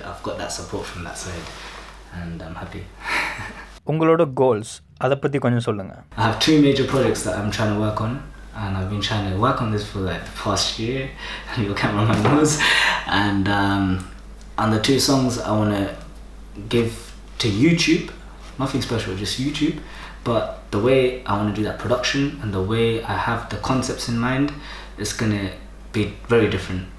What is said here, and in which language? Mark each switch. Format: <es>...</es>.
<en>I've got that support from that side and I'm happy.</en> <ta>உங்களோட goals, அதைப் பற்றி கொஞ்சம் சொல்லுங்க.</ta> <en>I have two major projects that I'm trying to work on. And I've been trying to work on this for like the past year and your cameraman knows and on the two songs I want to give to YouTube, nothing special, just YouTube, but the way I want to do that production and the way I have the concepts in mind, it's going to be very different.</en>